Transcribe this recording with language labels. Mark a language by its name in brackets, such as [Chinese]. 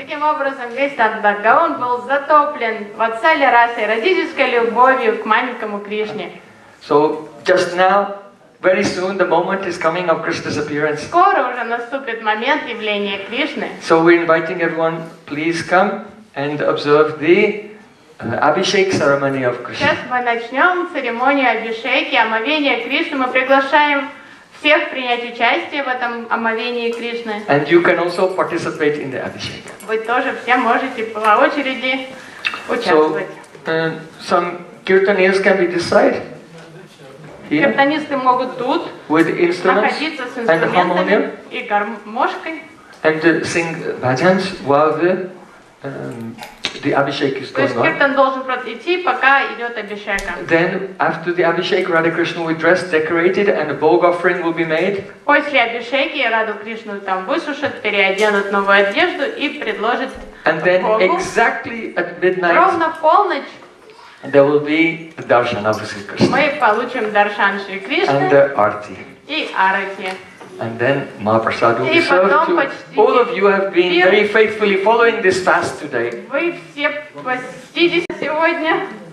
[Russian] Таким образом, весь Нандагаон был затоплен Vatsalya Rasa и родительской любовью к маленькому Кришне. [English] So just now, very soon, the moment is coming of Krishna's appearance. [Russian] Скоро уже наступит момент явления Кришны. [English] So we're inviting everyone, please come and observe the Abhishek ceremony of Krishna. [Russian] Сейчас мы начнем церемонию Абишеки, омовения Кришны. Мы приглашаем всех принять участие в этом омовении Кришны. [English] And you can also participate in the Abhishek. [Russian] Вы тоже все можете по очереди участвовать. [English] So, some kirtaneers can be this side. [Russian] Киртанисты могут тут [English] with instruments [Russian] находиться с инструментами и гармошкой. [English] And sing bhajans while the Abhishek is going on. [Russian] Киртан должен пройти, пока идет Абишека. [English] Then, after the Abhishek, Radha Krishna will dress, decorated, and a bhog offering will be made. [Russian] После Абишеки Раду Кришну там высушат, переоденут новую одежду и предложат богу. [English] And then, exactly at midnight, [Russian] ровно в полночь, [English] there will be the darshan of Sri Krishna. [Russian] Мы получим даршан Шри Кришны [English] and the arti. [Russian] И арати. [English] And then Mahaprasad will be served to [Russian] почтите, [English] all of you have been very faithfully following this fast today. [Russian] Вы все постились сегодня.